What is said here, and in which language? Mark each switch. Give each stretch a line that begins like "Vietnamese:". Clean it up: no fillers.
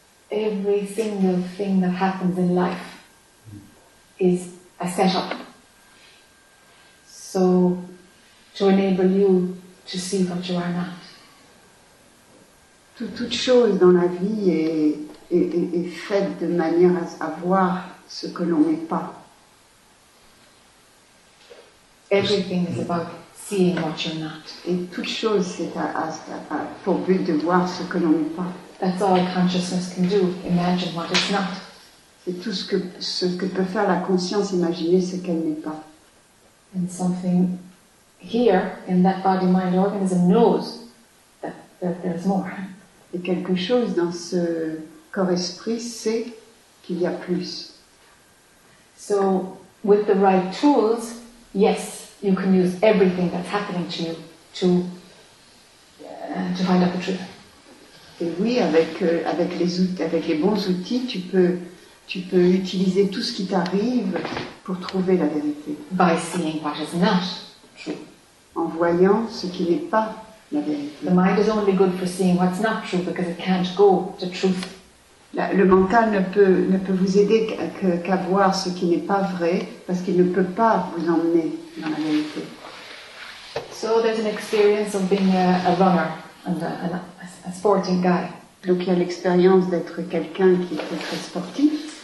English: Every single thing that happens in life is a setup. So, to enable you to see what you are not.
French: Toute chose dans la vie est faite de manière à voir ce que l'on n'est pas.
English: Everything is about seeing what you're not.
French: Et toute chose c'est à pour but de voir ce que l'on n'est pas.
English: That's all consciousness can do. Imagine what it's not.
French: C'est tout ce que peut faire la conscience, imaginer ce qu'elle n'est pas.
English: And something here in that body mind organism knows that there's more.
French: Et quelque chose dans ce corps esprit sait qu'il y a plus.
English: So with the right tools, yes, you can use everything that's happening to you to find out the truth.
French: Et oui, avec les bons outils, tu peux utiliser tout ce qui t'arrive pour trouver la vérité.
English: By seeing what is not true.
French: En voyant ce qui n'est pas la vérité.
English: The mind is only good for seeing what's not true because it can't go to truth.
French: Le mental ne peut vous aider qu'à voir ce qui n'est pas vrai parce qu'il ne peut pas vous emmener dans la vérité.
English: So there's an experience of being a runner and a sporting guy.
French: Donc il y a l'expérience d'être quelqu'un qui est très sportif.